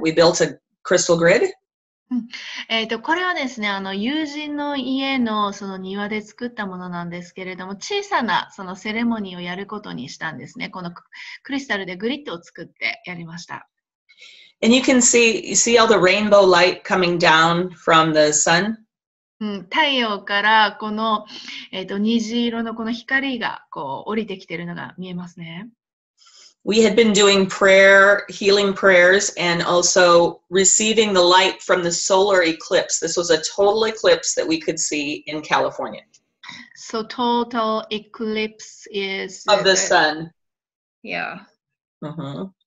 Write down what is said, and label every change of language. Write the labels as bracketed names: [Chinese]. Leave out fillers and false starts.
[English] We built a crystal grid. [Japanese] これはですね、友人の家のその庭で作ったものなんですけれども、小さなそのセレモニーをやることにしたんですね。このクリスタルでグリッドを作ってやりました。 [English] And you can see, you see all the rainbow light coming down from the sun?、 [Japanese] 太陽からこの、虹色のこの光がこう降りてきているのが見えますね。 [English] We had been doing prayer, healing prayers, and also receiving the light from the solar eclipse. This was a total eclipse that we could see in California. So total eclipse is... Of the sun. Yeah. Uh-huh.